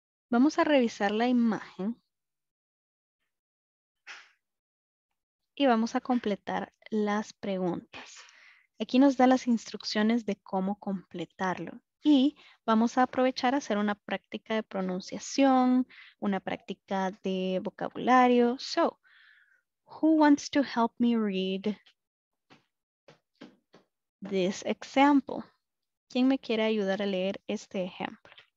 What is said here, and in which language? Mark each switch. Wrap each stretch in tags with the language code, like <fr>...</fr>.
<es>Vamos a revisar la imagen y vamos a completar las preguntas. Aquí nos da las instrucciones de cómo completarlo. Y vamos a aprovechar a hacer una práctica de pronunciación, una práctica de vocabulario.</es> <en>So, who wants to help me read this example?</en> <es>¿Quién me quiere ayudar a leer este ejemplo?</es>